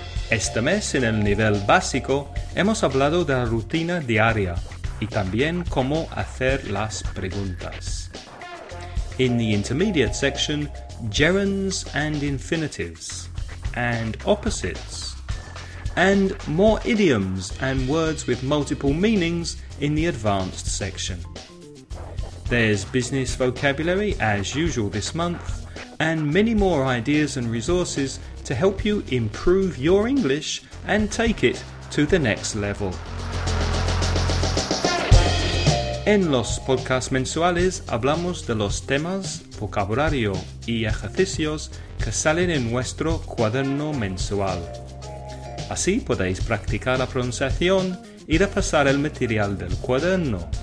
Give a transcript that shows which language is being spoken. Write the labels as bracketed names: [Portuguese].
[Spanish] Este mes en el nivel básico hemos hablado de la rutina diaria y también cómo hacer las preguntas. [English] In the intermediate section, gerunds and infinitives, and opposites, and more idioms and words with multiple meanings in the advanced section. There's business vocabulary as usual this month, and many more ideas and resources to help you improve your English and take it to the next level. [Spanish] En los podcasts mensuales hablamos de los temas, vocabulario y ejercicios que salen en nuestro cuaderno mensual. Así podéis practicar la pronunciación y repasar el material del cuaderno.